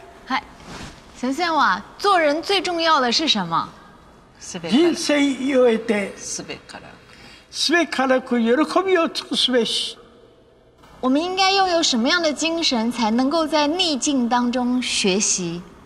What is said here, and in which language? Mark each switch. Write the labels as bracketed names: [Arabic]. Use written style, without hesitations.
[Chinese] 嗨，神仙娃，做人最重要的是什么？ [Japanese] 人生よえてすべからすべからく喜びを尽くすべし。 [Chinese] 我们应该拥有什么样的精神才能够在逆境当中学习？